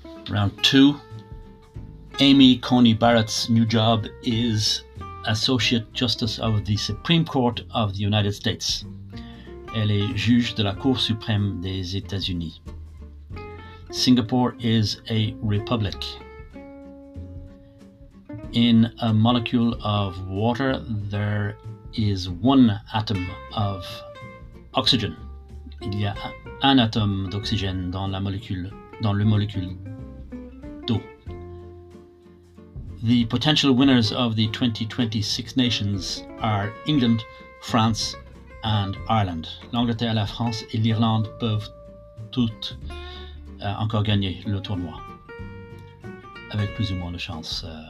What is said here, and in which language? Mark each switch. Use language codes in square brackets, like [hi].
[en] Round 2. Amy Coney Barrett's new job is Associate Justice of the Supreme Court of the United States. [fr] Elle est juge de la Cour suprême des États-Unis. [en] Singapore is a republic. In a molecule of water, there is one atom of oxygen. [fr] Il y a un atome d'oxygène dans la molécule, dans le molécule. [en] The potential winners of the 2020 Six Nations are England, France, and Ireland. [fr] L'Angleterre, la France et l'Irlande peuvent toutes encore gagner le tournoi, avec plus ou moins de chance.